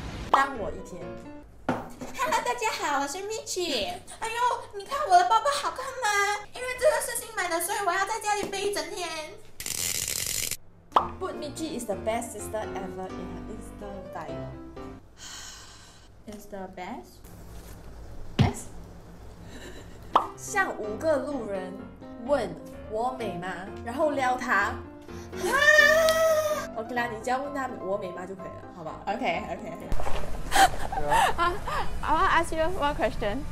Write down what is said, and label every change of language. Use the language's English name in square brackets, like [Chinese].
[Chinese] 当我一天。 Hello， 大家好，我是 Michi。哎呦，你看我的包包好看吗？因为这个是新买的，所以我要在家里背一整天。 [English] But Michi is the best sister ever in her Insta bio. Insta best? Yes. [Chinese] 向五个路人问我美吗，然后撩他。 OK 啦，你只要问他我美吗就可以了，好不好？OK OK OK。 [English] I want to ask you one question.